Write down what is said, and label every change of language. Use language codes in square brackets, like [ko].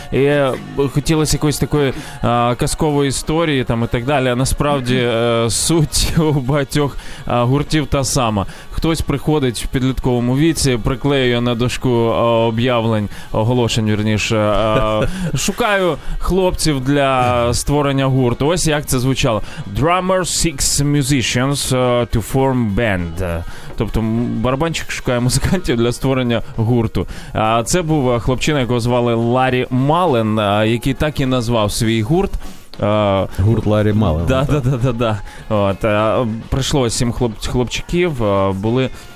[uk] І хотілося якоїсь такої казкової історії там і так далі, а насправді суть у багатьох гуртів та сама. Хтось приходить в підлітковому віці, приклеює на дошку оголошень, шукаю хлопців для створення гурту. Ось як це звучало. [en] Drummer seeks musicians to form band. [uk] Тобто барабанщик шукає музикантів для створення гурту. Це був хлопчина, якого звали Ларі Мален, який так і назвав свій гурт. Гурт Ларі Мален. Да. От, прийшло 7 хлопчиків, були